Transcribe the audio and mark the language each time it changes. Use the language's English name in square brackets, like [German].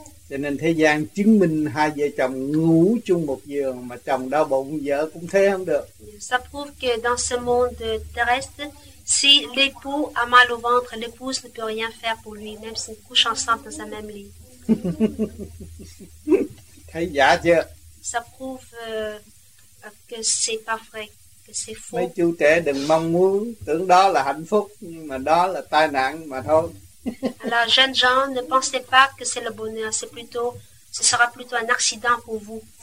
[Vietnamese] Cho nên thế gian chứng minh hai vợ chồng ngủ chung một giường mà chồng đau bụng, vợ cũng thế không được. [French] Ça prouve que dans ce monde terrestre, si l'époux a mal au ventre, l'épouse ne peut rien faire pour lui, même s'ils couchent ensemble dans un même lit. [Vietnamese] Thấy giả chưa? [French] Ça prouve que c'est pas vrai, que c'est faux. [Vietnamese] Mấy chú trẻ đừng mong muốn, tưởng đó là hạnh phúc, nhưng mà đó là tai nạn mà thôi. [French] Alors, jeunes gens, ne pensez pas que c'est le bonheur, c'est plutôt, ce sera plutôt un accident pour vous.